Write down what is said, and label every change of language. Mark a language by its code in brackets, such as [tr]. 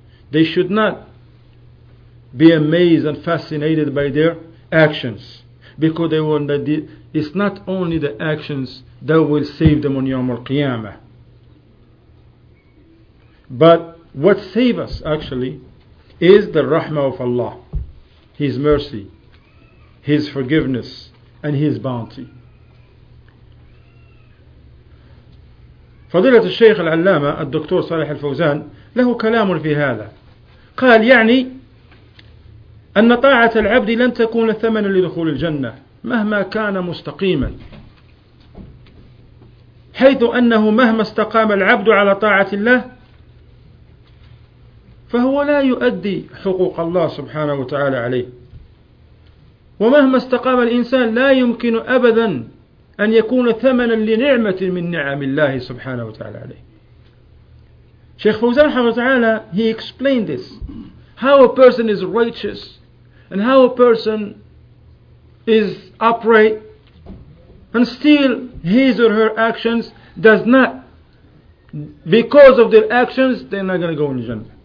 [en] They should not be amazed and fascinated by their actions, because they want that it's not only the actions that will save them on Yawm al-Qiyamah. But what saves us actually is the rahmah of Allah, His mercy, His forgiveness, and His bounty. [ar] فضيلة الشيخ العلامة الدكتور صالح الفوزان له كلام في هذا. قال يعني أن طاعة العبد لن تكون ثمنا لدخول الجنة مهما كان مستقيما. حيث أنه مهما استقام العبد على طاعة الله فهو لا يؤدي حقوق الله سبحانه وتعالى عليه. ومهما استقام الإنسان لا يمكن أبدا أن يكون ثمنا لنعمة من نعم الله سبحانه وتعالى عليه. شيخ فوزان رحمه تعالى [en] he explained this, how a person is righteous and how a person is upright and still his or her actions does not, because of their actions they're not going to go in Jannah.